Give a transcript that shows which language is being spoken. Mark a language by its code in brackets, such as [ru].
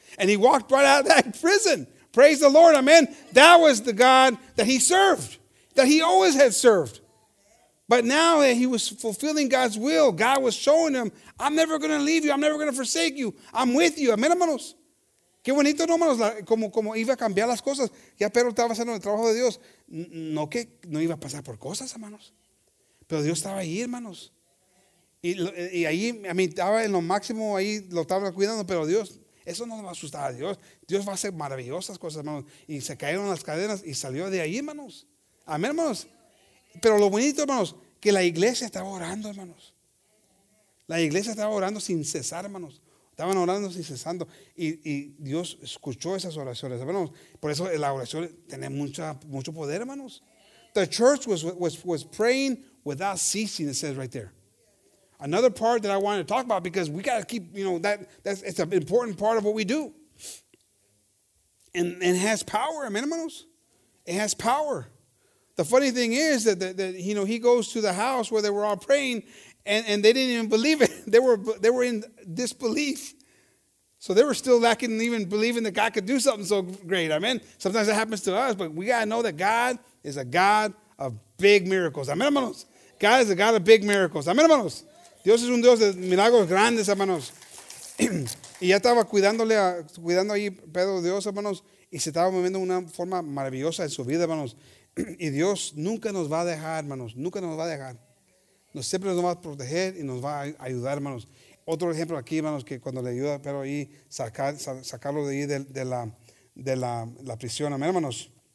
[en] And he walked right out of that prison. Praise the Lord. Amen. That was the God that he served, that he always had served. But now that he was fulfilling God's will, God was showing him, I'm never going to leave you. I'm never going to forsake you. I'm with you. [es] Amen, hermanos. Qué bonito, no, hermanos. Como iba a cambiar las cosas. Ya Pedro estaba haciendo el trabajo de Dios. No que no iba a pasar por cosas, hermanos. Pero Dios estaba ahí, hermanos. Y ahí, a mí estaba en lo máximo, ahí lo estaba cuidando, pero Dios, eso no va a asustar a Dios. Dios va a hacer maravillosas cosas, hermanos. Y se cayeron las cadenas y salió de ahí, hermanos. Amén, hermanos. Pero lo bonito, hermanos, que la iglesia estaba orando, hermanos. La iglesia estaba orando sin cesar, hermanos. Estaban orando sin cesando. Y Dios escuchó esas oraciones, hermanos. Por eso la oración tiene mucho poder, hermanos. [en] The church was praying without ceasing, it says right there. Another part that I wanted to talk about, because we got to keep, you know, that's it's an important part of what we do. And it has power, amen, hermanos? It has power. The funny thing is that you know, he goes to the house where they were all praying, and they didn't even believe it. They were in disbelief. So they were still lacking even believing that God could do something so great, amen? Sometimes it happens to us, but we got to know that God is a God of big miracles, amen, hermanos? God is a God of big miracles, amen, hermanos? [es] Dios es un Dios de milagros grandes, hermanos. Y ya estaba cuidando ahí Pedro Dios, hermanos, y se estaba moviendo de una forma maravillosa en su vida, hermanos. Y Dios nunca nos va a dejar, hermanos, nunca nos va a dejar. Siempre nos va a proteger y nos va a ayudar, hermanos. Otro ejemplo aquí, hermanos, que cuando le ayuda a Pedro ahí, sacarlo de ahí de la prisión, amén, hermanos.